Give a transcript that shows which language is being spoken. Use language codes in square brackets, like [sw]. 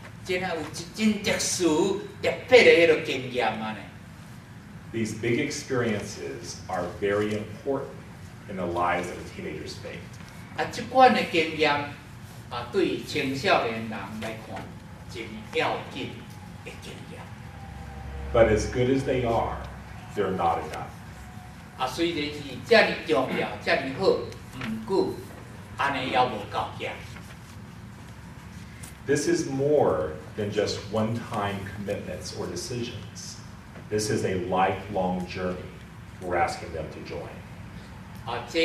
[nan] 真的有真特殊特别的迄落经验嘛呢。 [en] These big experiences are very important in the lives of a teenager's faith. [nan] 啊，这款的经验啊，对青少年人来看，真要紧的经验。 [en] But as good as they are, they're not enough. [nan] 啊，虽然是这么重要、这么好，唔过，安尼也无够劲。 [en] This is more than just one-time commitments or decisions. This is a lifelong journey we're asking them to join.